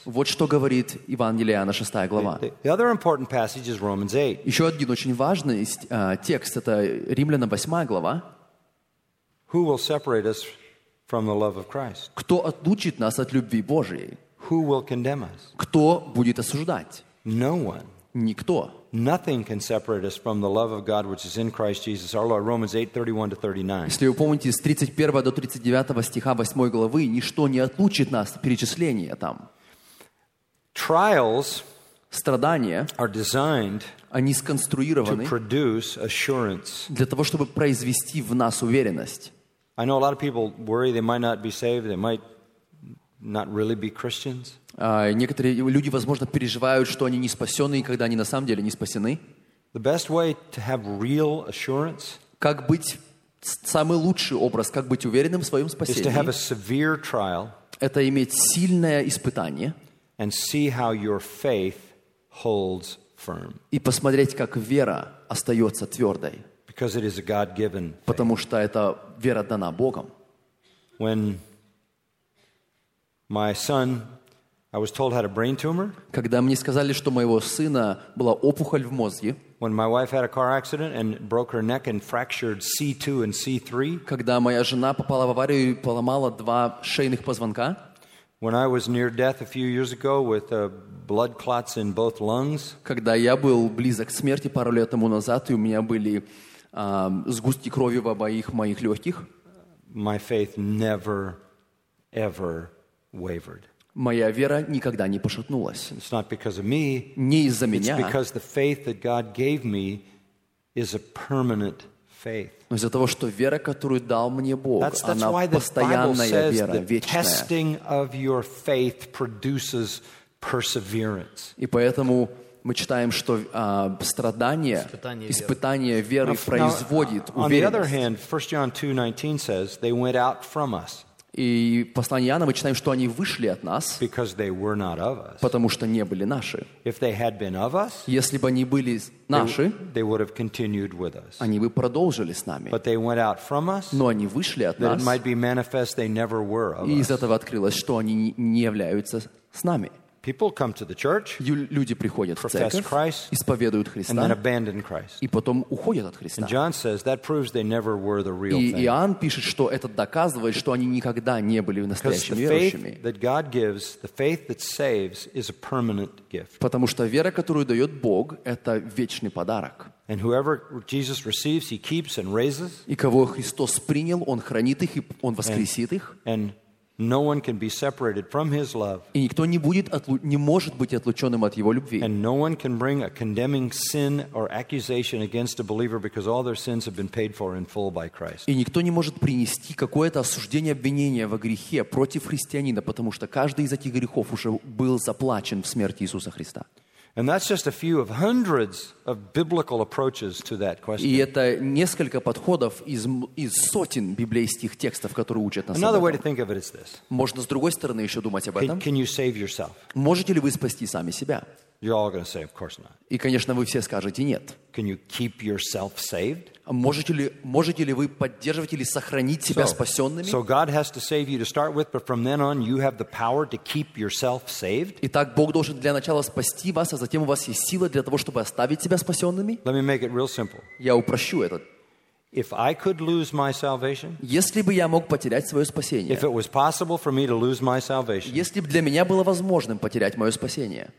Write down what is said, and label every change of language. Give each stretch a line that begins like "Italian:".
Russian: Вот что говорит Евангелие Иоанна 6 глава.
English: The other important passage is Romans 8.
Russian: Еще один очень важный текст это Римлянам 8 глава.
English: Who will separate us from the love of Christ?
Russian: Кто отлучит нас от любви Божией?
English: Who will condemn us?
Russian: Кто будет осуждать?
English: No one.
Russian: Никто.
English: Nothing can separate us from the love of God which is in Christ Jesus our Lord. Romans 8:31-39.
Russian: Если вы помните с 31 до 39 стиха 8 главы, ничто не отлучит нас, перечисление там.
English: Trials,
Russian: страдания
English: are designed
Russian: они сконструированы
English: to produce assurance.
Russian: Для того, чтобы произвести в нас уверенность.
English: I know a lot of people worry they might not be saved, they might not really be Christians.
Russian: Некоторые люди, возможно, переживают, что они не спасены, когда они на самом деле не спасены.
English: The best way to have real assurance,
Russian: как быть самый лучший образ, как быть уверенным в своем спасении,
English: is to have a severe trial,
Russian: это иметь сильное испытание
English: and see how your faith holds firm.
Russian: И посмотреть, как вера остается твердой.
English: Because it is a God-given faith.
Russian: Потому что это вера дана Богом.
English: When my son, I was told, had a brain tumor.
Russian: Когда мне сказали, что моего сына была опухоль в мозге.
English: When my wife had a car accident and broke her neck and fractured C2 and C3.
Russian: Когда моя жена попала в аварию и поломала два шейных позвонка.
English: When I was near death a few years ago with blood clots in both lungs.
Russian: Когда я был близок к смерти пару лет тому назад и у меня были сгустки крови в обоих моих легких.
English: My faith never, ever wavered.
Russian: Моя вера никогда не пошатнулась.
English: It's not because of me.
Russian: Не из-за меня.
English: It's because the faith that God gave me is a permanent faith.
Russian: Но из-за того, что вера, которую дал мне Бог, она постоянная вера, вечная.
English: Testing of your faith produces perseverance.
Russian: И поэтому мы читаем, что страдание, испытание веры производит уверенность.
English: On the other hand, 1 John 2:19 says, they went out from us.
Russian: И послание Иоанна, мы читаем, что они вышли от нас, потому что не были наши.
English: Us,
Russian: если бы они были наши,
English: they
Russian: они бы продолжили с нами.
English: Us,
Russian: но они вышли от нас,
English: might be manifest they never were of
Russian: и из этого открылось, что они не являются с нами. Люди приходят в церковь, исповедуют Христа и потом уходят от Христа. И Иоанн пишет, что это доказывает, что они никогда не были настоящими верующими. Потому что вера, которую дает Бог, это вечный подарок.
English: And whoever Jesus receives, he keeps and raises.
Russian: И кого Христос принял, Он хранит их и Он воскресит их.
English: No one can be separated from his love.
Russian: И никто не может быть отлученным от его любви.
English: And no one can bring a condemning sin or accusation against a believer because all their sins have been paid for in full by Christ.
Russian: И никто не может принести какое-то осуждение, обвинение во грехе против христианина, потому что каждый из этих грехов уже был заплачен в смерти Иисуса Христа.
English: And that's just a few of hundreds of biblical approaches to that question.
Russian: И это несколько подходов из сотен библейских текстов, которые учат нас.
English: Another way to think of it is this.
Russian: Можно с другой стороны еще думать об этом.
English: Can you save yourself?
Russian: Можете ли вы спасти сами себя?
English: You're all going to say, of course not.
Russian: И, конечно, вы все скажете нет.
English: Can you keep yourself saved?
Russian: Можете ли вы поддерживать или сохранить себя спасенными?
English: So God has to save you to start with, but from then on you have the power to keep yourself saved.
Russian: Итак, Бог должен для начала спасти вас, а затем у вас есть сила для того, чтобы оставить себя спасенными.
English: Let me make it real simple.
Russian: Я упрощу это.
English: If I could lose my salvation,
Russian: если бы я мог потерять свое спасение,
English: if it was possible for me to lose my salvation,
Russian: если бы для меня было возможным потерять мое спасение,